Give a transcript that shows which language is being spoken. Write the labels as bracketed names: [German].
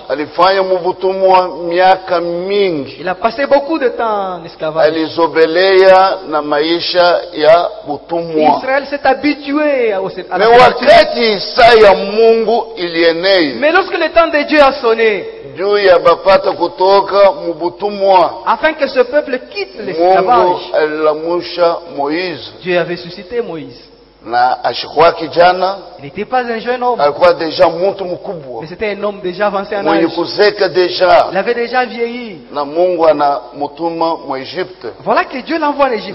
[Swahili] Alifanya mubutumwa miaka mingi. [French] Il a passé beaucoup de temps en esclavage. [Swahili] Alizobelea na maisha ya butumwa. [French] Israël s'est habitué à ce. [Swahili] Mais wakati isa ya Mungu ilienei. [French] Mais lorsque le temps de Dieu a sonné. [Swahili] Juu ya bapata kutoka mubutumwa. [French] Afin que ce peuple quitte l'esclavage. [Swahili] Mungu alilamusha Moïse. [French] Dieu avait suscité Moïse. [Swahili] Na ashikuwa kijana. [French] Il n'était pas un jeune homme. [Swahili] Alikuwa deja mtu mkubwa. [French] Mais c'était un homme déjà avancé en âge. [Swahili] Mwenye kuzeka deja. [French] Il avait déjà vieilli. [Swahili] Na Mungu anamutuma mwaEgypte. [French] Voilà que Dieu l'envoie en Égypte.